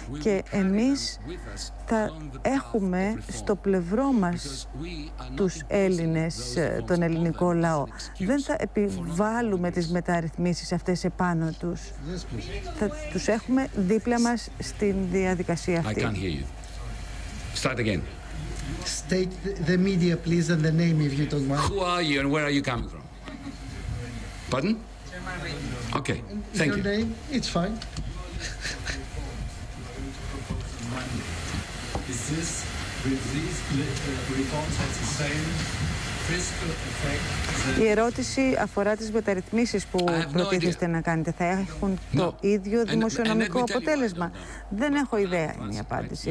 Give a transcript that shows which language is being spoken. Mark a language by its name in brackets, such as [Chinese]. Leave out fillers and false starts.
[Greek] Και εμείς θα έχουμε στο πλευρό μας τους Έλληνες, τον ελληνικό λαό. Δεν θα επιβάλλουμε τις μεταρρυθμίσεις αυτές επάνω τους. Θα τους έχουμε δίπλα μας στην διαδικασία αυτή. [English] Start again. State the media, please, and the name if you don't mind. Who are you and where are you coming from? Pardon? Okay, thank your you. Your name? It's fine. Is this, with these reforms, has the same fiscal effect? [Greek] Η ερώτηση αφορά τις μεταρρυθμίσεις που προτίθεστε να κάνετε. Θα έχουν το ίδιο δημοσιονομικό αποτέλεσμα? Δεν έχω ιδέα, είναι η απάντηση.